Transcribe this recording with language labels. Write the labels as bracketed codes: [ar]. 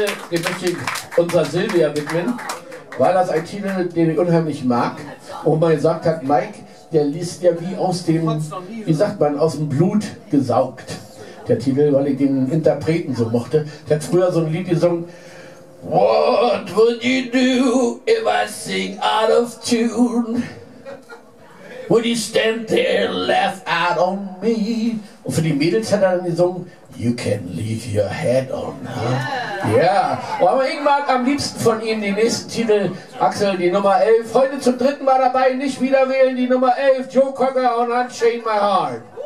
[de] Den möchte ich unserer Silvia widmen, weil das ein Titel, den ich unheimlich mag. Und man gesagt hat, Mike, der liest ja wie aus dem, wie sagt man, aus dem Blut gesaugt. Der Titel, weil ich den Interpreten so mochte. Der hat früher so ein Lied gesungen. [en] What would you do if I sing out of tune? Would you stand there and laugh out on me? [de] Und für die Mädels hat er dann gesungen. [en] You can leave your head on, huh? Yeah. [de] Aber ich mag am liebsten von ihm den nächsten Titel. Axel, die Nummer 11. Freunde, zum dritten Mal dabei, nicht wieder wählen. Die Nummer 11, Joe Cocker und Unchain My Heart.